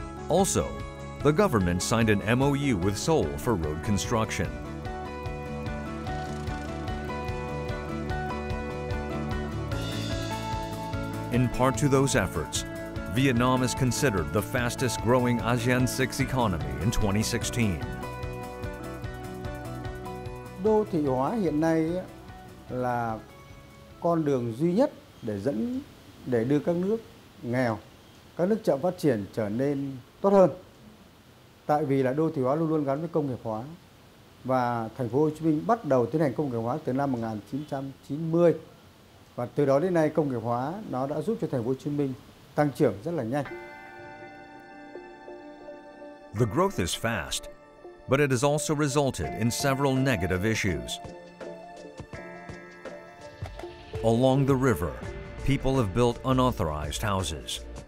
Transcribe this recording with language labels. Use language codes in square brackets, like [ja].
[en] Also, the government signed an MOU with Seoul for road construction. In part to those efforts, Vietnam is considered the fastest growing ASEAN 6 economy in 2016. [vi] Đô thị hóa hiện nay là con đường duy nhất để dẫn để đưa các nước nghèo, các nước chậm phát triển trở nên tốt hơn. Tại vì là đô thị hóa luôn luôn gắn với công nghiệp hóa và thành phố Hồ Chí Minh bắt đầu tiến hành công nghiệp hóa từ năm 1990. Và từ đó đến nay công nghiệp hóa nó đã giúp cho thành phố Hồ Chí Minh tăng trưởng rất là nhanh. [en] The growth is fast, but it has also resulted in several negative issues. Along the river, people have built unauthorized houses.